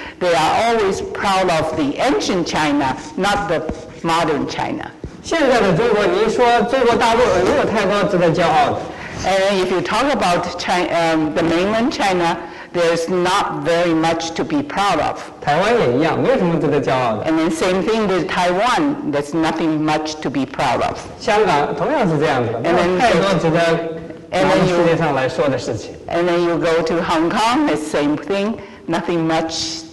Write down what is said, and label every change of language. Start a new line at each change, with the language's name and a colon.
English: They are always proud of the ancient China, not the modern China.
Chinese: 现在的中国，你说中国大陆没有太多值得骄傲的。
English: And if you talk about China, the mainland China, there's not very much to be proud of.
Chinese: 台湾也一样，没有什么值得骄傲的。
English: And then same thing with Taiwan, there's nothing much to be proud of.
Chinese: 香港同样是这样子的，没有太多值得拿世界上来说的事情。
English: And then you go to Hong Kong, the same thing, nothing much.